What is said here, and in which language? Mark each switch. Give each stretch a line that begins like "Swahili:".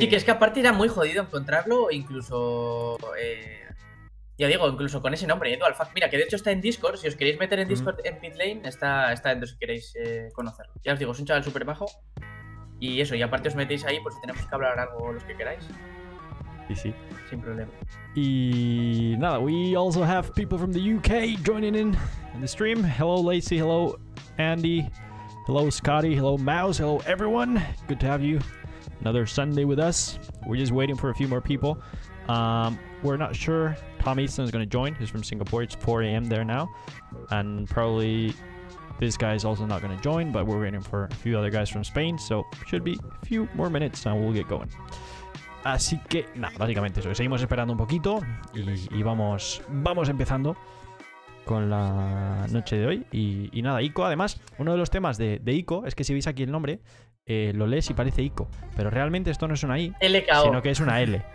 Spanish: Sí, que es que aparte era muy jodido encontrarlo, incluso... ya digo, incluso con ese nombre, Edu Alfac. Mira, que de hecho está en Discord, si os queréis meter en Discord en Pitlane, está dentro si queréis conocerlo. Ya os digo, es un chaval súper majo. Y eso, y aparte os metéis ahí por si tenemos que hablar algo los que queráis. Y sí. Sin problema. Y nada,
English: we also have people from the UK joining in the stream. Hello Lacey, hello Andy. Hello Scotty, hello Mouse, hello everyone. Good to have you. Another Sunday with us. We're just waiting for a few more people. We're not sure Tom Easton is going to join. He's from Singapore. It's 4 a.m. there now. And probably this guy is also not going to join, but we're waiting for a few other guys from Spain. So should be a few more minutes and we'll get going.
Spanish: Así que, nada, básicamente eso. Seguimos esperando un poquito y vamos empezando con la noche de hoy y nada, Ico, además, uno de los temas de Ico es que si veis aquí el nombre lo lees y parece Ico, pero realmente esto no es una I, L-K-O. Sino que es una L.